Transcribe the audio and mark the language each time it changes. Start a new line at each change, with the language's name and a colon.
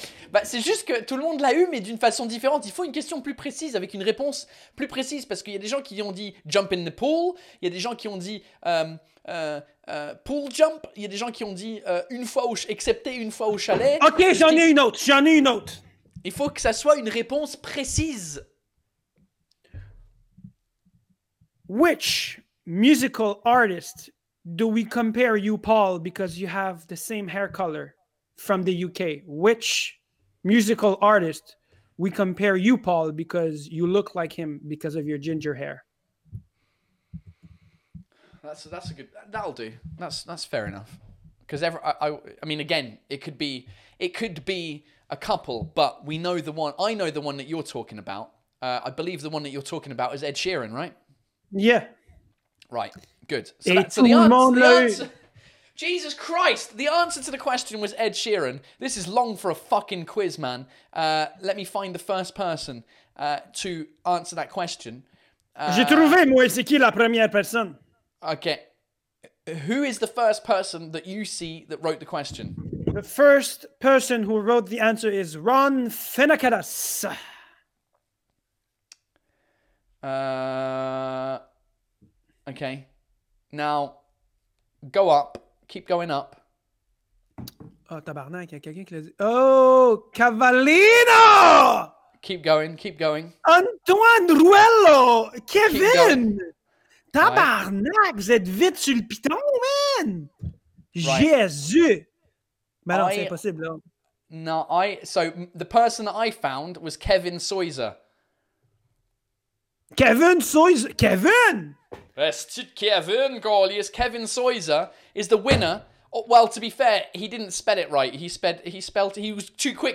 French: Bah, c'est juste que tout le monde l'a eu, mais d'une façon différente. Il faut une question plus précise, avec une réponse plus précise, parce qu'il y a des gens qui ont dit «
English: jump in the pool
French: », il y a des gens qui ont dit «
English: pool jump
French: », il y a des gens qui ont dit « une fois au excepté une fois au chalet ». Ok, j'en ai une autre, j'en ai une autre. Il faut que ça soit une réponse précise.
English: Which musical artist do we compare you, Paul, because you have the same hair color from the UK? Which musical artist we compare you, Paul, because you look like him because of your ginger hair? That's a good, that'll do. That's fair enough. Because it could be a couple, but we know the one. I know the one that you're talking about. I believe the one that you're talking about is Ed Sheeran, right? Yeah. Right. Good. Jesus Christ, the answer to the question was Ed Sheeran. This is long for a fucking quiz, man. Let me find the first person to answer that question.
French: J'ai trouvé, moi, c'est qui la première personne?
English: Okay. Who is the first person that you see that wrote the question? The first person who wrote the answer is Ron Finnecadas. Okay. Now, go up. Keep going up.
French: Oh, tabarnak, y'a quelqu'un qui l'a dit. Oh, Cavallino!
English: Keep going, keep going. Antoine Ruello! Kevin!
French: Tabarnak,
English: right.
French: Vous êtes vite sur le piton,
English: man! Right.
French: Jésus! Mais non, c'est impossible, là.
English: No, so the person that I found was Kevin Soizer. Kevin Soizer? Kevin! Kevin Soizer is the winner. Oh, well, to be fair, he didn't spell it right. He was too quick.